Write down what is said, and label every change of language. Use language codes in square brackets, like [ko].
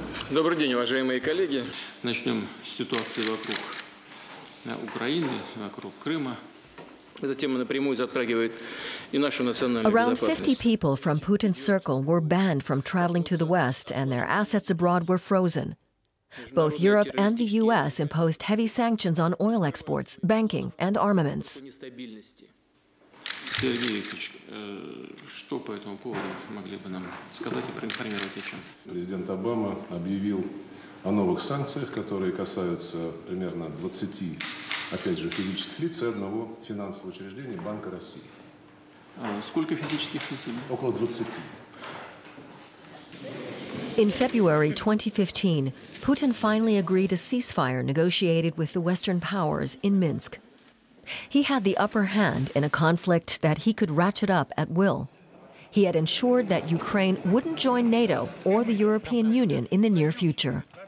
[ru] Добрый день, уважаемые коллеги. Начнем с ситуации вокруг Украины, вокруг Крыма. Эта тема напрямую затрагивает и нашу национальную [en] Around 50 people from Putin's circle were banned from traveling to the West, and their assets abroad were frozen. Both Europe and the U.S. imposed heavy sanctions on oil exports, banking, and armaments. [ru] Сергей Викторович, что по этому поводу могли бы нам сказать и проинформировать о чем? Президент Обама объявил о новых санкциях, которые касаются примерно 20, опять же, физических лиц и одного финансового учреждения Банка России. Сколько физических лиц? Около 20. [en] In February 2015, Putin finally agreed a ceasefire negotiated with the Western powers in Minsk. He had the upper hand in a conflict that he could ratchet up at will. He had ensured that Ukraine wouldn't join NATO or the European Union in the near future.